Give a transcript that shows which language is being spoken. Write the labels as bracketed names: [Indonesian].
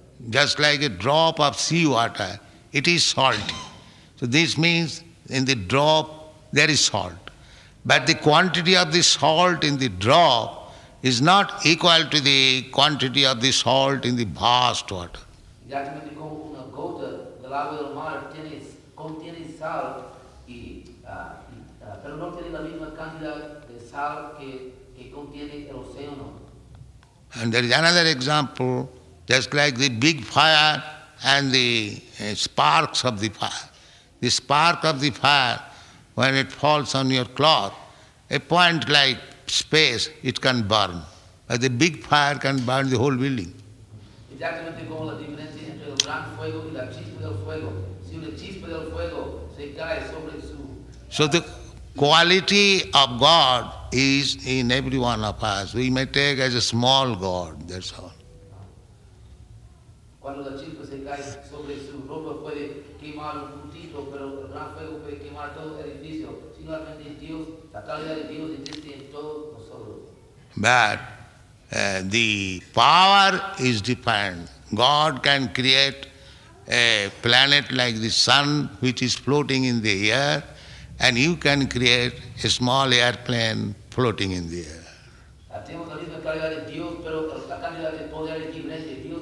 [English] Just like a drop of sea water, it is salty. So this means in the drop there is salt. But the quantity of the salt in the drop is not equal to the quantity of the salt in the vast water. [Spanish] Exactamente como una gota del agua del mar contiene sal, pero no tiene la misma cantidad de sal que contiene el océano. [English] And there is another example. Just like the big fire and the sparks of the fire. The spark of the fire, when it falls on your cloth, a point like space, it can burn. But the big fire can burn the whole building. [Spanish] Exactamente como la diferencia entre el gran fuego y la chispa del fuego. Si una chispa del fuego se cae sobre su... [English] So the quality of God is in every one of us. We may take as a small God, that's all. [Spanish] Cuando la chispa se cae sobre su ropa puede quemar un puntito, pero el gran fuego puede quemar todo el edificio. Simplemente Dios, la calidad de Dios existe en todos nosotros. [English] But the power is different. God can create a planet like the sun which is floating in the air, and you can create a small airplane floating in the air. [Spanish] Tenemos la misma calidad de Dios, pero la calidad de poder es diferente.